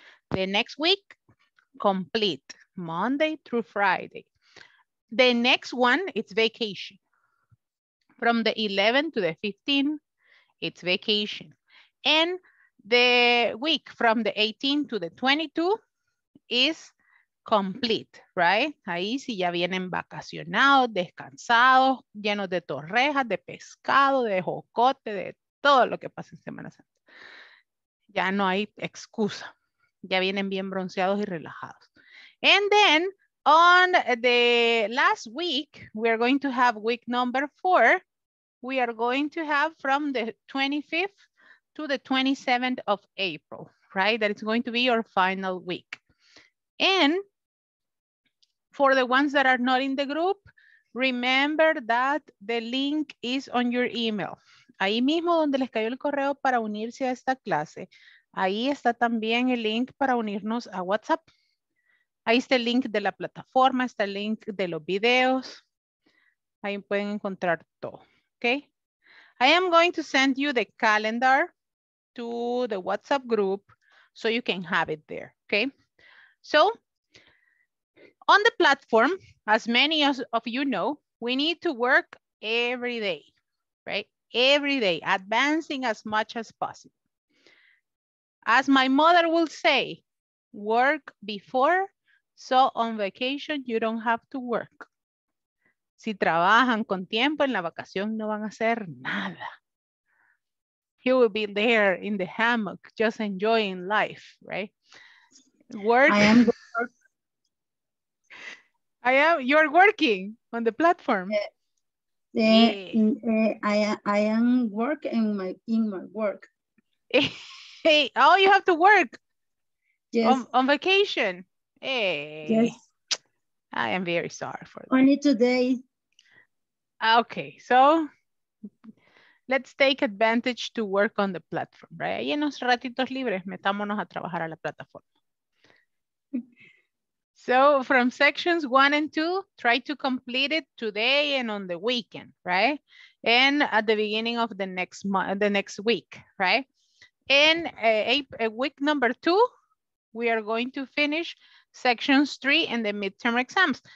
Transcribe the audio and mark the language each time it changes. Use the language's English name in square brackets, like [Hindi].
[English] The next week, complete Monday through Friday. The next one, it's vacation. From the 11th to the 15th, it's vacation. And the week from the 18th to the 22 is complete, right? [Spanish] Ahí sí ya vienen vacacionados, descansados, llenos de torrejas, de pescado, de jocote, de todo lo que pasa en Semana Santa. Ya no hay excusa. Ya vienen bien bronceados y relajados. [English] And then on the last week, we are going to have week number 4. We are going to have from the 25th to the 27th of April, right? That is going to be your final week. And for the ones that are not in the group, remember that the link is on your email. [Spanish] Ahí mismo donde les cayó el correo para unirse a esta clase, ahí está también el link para unirnos a WhatsApp. Ahí está el link de la plataforma, está el link de los videos. Ahí pueden encontrar todo, okay? [English] I am going to send you the calendar to the WhatsApp group so you can have it there, okay? So, on the platform, as many of you know, we need to work every day, right? Every day, advancing as much as possible. As my mother will say, work before, so on vacation, you don't have to work. [Spanish] Si trabajan con tiempo, en la vacación no van a hacer nada. [English] You will be there in the hammock, just enjoying life, right? Work. You're working on the platform. I am working in my work. Hey, oh, you have to work. Yes. On vacation. Hey. Yes. I am very sorry for that. Only today. Okay, so let's take advantage to work on the platform, right? [Spanish] Ahí en los ratitos libres, metámonos a trabajar a la plataforma. [English] So from sections 1 and 2, try to complete it today and on the weekend, right? And at the beginning of the next month, the next week, right? In week number 2, we are going to finish sections 3 and the midterm exams.